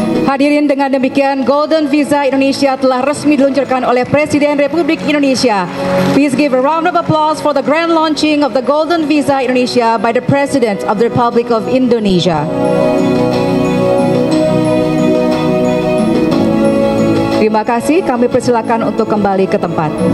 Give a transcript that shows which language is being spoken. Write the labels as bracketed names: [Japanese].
[Indonesian] Hadirin, dengan demikian Golden Visa Indonesia telah resmi diluncurkan oleh Presiden Republik Indonesia. [English] Please give a round of applause for the grand launching of the Golden Visa Indonesia by the President of the Republic of Indonesia. [Indonesian] Terima kasih, kami persilakan untuk kembali ke tempat.